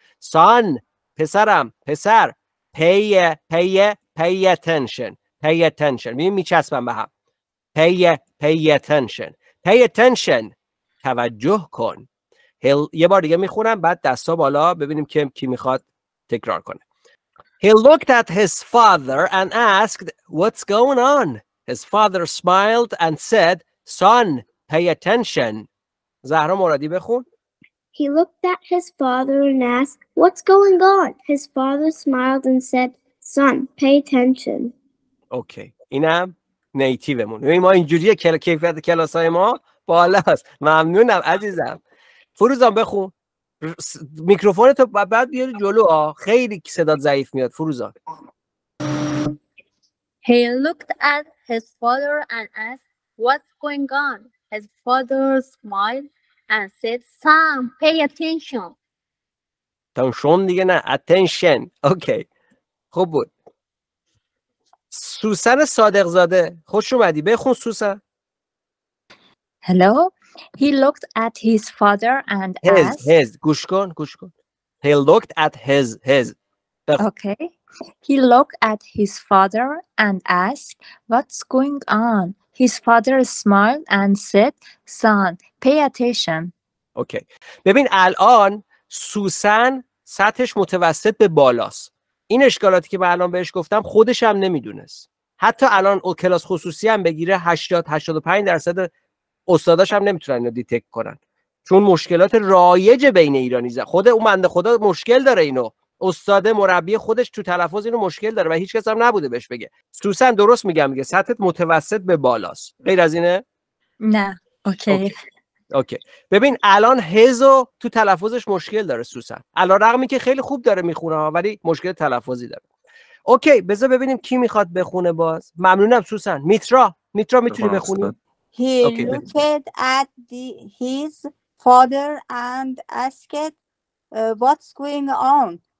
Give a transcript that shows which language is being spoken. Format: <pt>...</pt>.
<en>son</en> <fa>پسرم، پسر.</fa> <en>pay attention. pay attention</en> <fa>ببین میچسبم به هم.</fa> <en>pay attention. pay attention</en> <fa>توجه کن. he'll یه بار دیگه میخونم بعد دستا بالا ببینیم کی میخواد تکرار کنه.</fa> <en>He looked at his father and asked, what's going on? His father smiled and said, son, pay attention.</en> <fa>زهرا مرادی بخون.</fa> <en>He looked at his father and asked, what's going on? His father smiled and said, son, pay attention.</en> <fa>اوکی. اینم نیتیومون. ما اینجوریه کیفیت کلاسای ما بالاست. ممنونم عزیزم. فروزان بخون. میکروفون تو بعد بیاری جلو، خیلی صدات ضعیف میاد فروزان.</fa> <en>He looked at his father and asked what's going on. His father smiled and said son pay attention.</en> <fa>تنشون دیگه نه، attention. اوکی خوب بود. سوسن صادق زاده خوش اومدی، بخون سوسن.</fa> <en>Hello. He looked at his father and asked. Gushkon. He looked at his. Okay. He looked at his father and asked, "What's going on?" His father smiled and said, "Son, pay attention."</en> <fa>Okay. ببین الان سوسن سطحش متوسط به بالاست. این اشکالاتی که من الان بهش گفتم خودش هم نمیدونست. حتی الان او کلاس خصوصی هم بگیره 80-85% استاداش هم نمیتونن اینو دیتکت کنن، چون مشکلات رایج بین ایرانی زبان خود اون بنده خدا مشکل داره، اینو استاد مربی خودش تو تلفظ اینو مشکل داره و هیچ کس هم نبوده بهش بگه. سوسن درست میگم، میگه سطحت متوسط به بالاست، غیر از اینه؟ نه. اوکی اوکی. ببین الان هزو تو تلفظش مشکل داره سوسن، علی رغم اینکه خیلی خوب داره میخونه ولی مشکل تلفظی داره. اوکی بذار ببینیم کی میخواد بخونه باز. ممنونم سوسن. میترا، میترا میتونی بخونی؟</fa> <en>He looked at his father and asked what's going on.</en>